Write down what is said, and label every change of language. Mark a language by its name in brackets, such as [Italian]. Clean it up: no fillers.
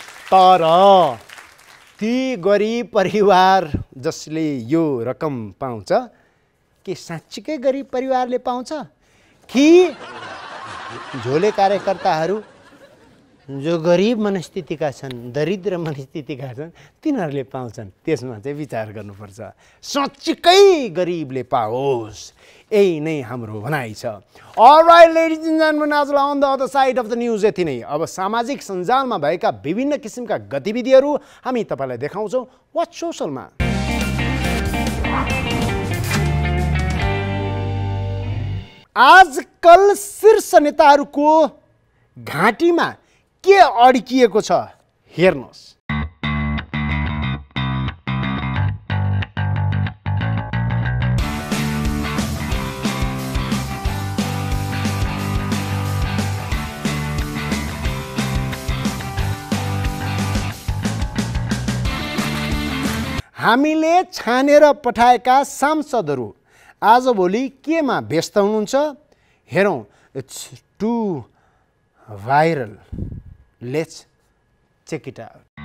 [Nepali] तर ती गरिब परिवार जसले यो रकम पाउँछ, के साँच्चीकै गरिब परिवारले पाउँछ कि झोले कार्यकर्ताहरू जो गरिब मनस्थितिका छन्, दरिद्र मनस्थितिका छन्, तिनीहरूले पाउँछन्? त्यसमा चाहिँ विचार गर्नुपर्छ. साँच्चीकै गरिबले पाओस्, यही नै हाम्रो भनाइ छ. [English] alright ladies and gentlemen, [Nepali] आजलाई [English] on the other side of the news [Nepali] यति नै. अब सामाजिक सञ्जालमा भएका विभिन्न किसिमका गतिविधिहरू हामी तपाईँलाई देखाउँछौँ. वाच सोसलमा. आजकल शीर्ष नेताहरूको घाँटीमा के अड्किएको छ हेर्नुहोस्। हामीले छानेर पठाएका सांसदहरू आजभोलि केमा व्यस्त हुनुहुन्छ हेरौँ। [English] It's too viral, let's check it out.